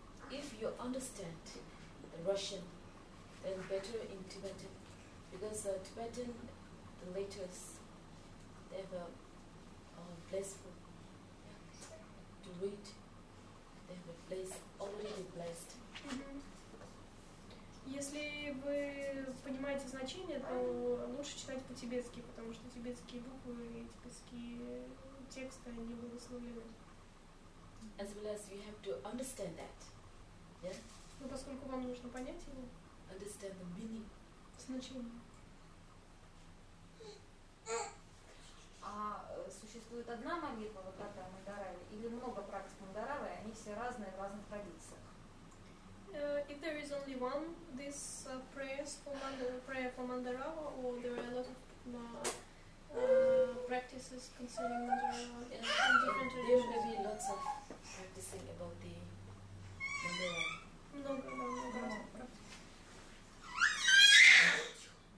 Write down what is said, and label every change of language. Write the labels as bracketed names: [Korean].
[English] If you understand the Russian, then better in Tibetan. Because Tibetan, the letters, they have a place for to read, they have a place already blessed. Mm-hmm. [Russian] Если вы понимаете значение, то лучше читать по-тибетски, потому что тибетские буквы и тибетские тексты, они благословлены. [English] As well as you have to understand that. Yeah? [Russian] Ну, поскольку вам нужно понять его. [English] Understand the meaning. [Russian] Значение. А существует одна молитва, вот эта мандаравы, или много практик мандаравы, они все разные в разных традициях? [English] If there is only one, this prayer for mandarava, or there are a lot of practices concerning mandarava in different traditions? There may be lots of practicing about the mandarava. [Russian] Много разных практик.